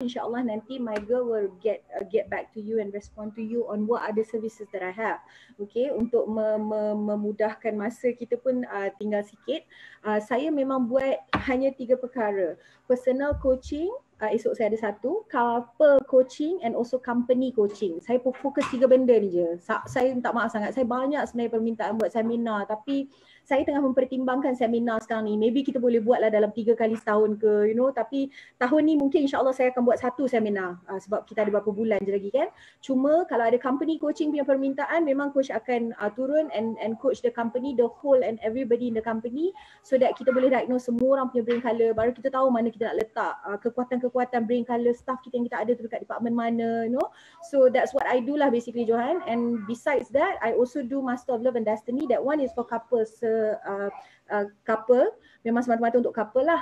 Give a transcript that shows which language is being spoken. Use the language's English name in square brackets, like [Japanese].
[English] InsyaAllah nanti my girl will get back to you and respond to you on what other services that I have. [Malay] Okay, untuk memudahkan masa kita pun tinggal sikit. Saya memang buat hanya 3 perkara. Personal coaching, esok saya ada 1. [English] Couple coaching and also company coaching. [Malay] Saya fokus 3 benda ni je. Saya tak maaf sangat. Saya banyak sebenarnya permintaan buat seminar, tapi saya tengah mempertimbangkan seminar sekarang ni. Maybe kita boleh buatlah dalam 3 kali setahun ke, you know. Tapi tahun ni mungkin insyaAllah saya akan buat 1 seminar. Sebab kita ada beberapa bulan je lagi, kan. Cuma kalau ada company coaching punya permintaan, memang coach akan turun [English] and coach the company, [Malay] the whole and everybody in the company, so that kita boleh diagnose semua orang punya brain color. Baru kita tahu mana kita nak letak kekuatan-kekuatan brain color staff kita yang kita ada tu dekat department mana, you know. [English] So that's what I do lah basically, Johan. And besides that, I also do Master of Love and Destiny. That one is for couples. [Malay] couple, memang semata-mata untuk couple lah.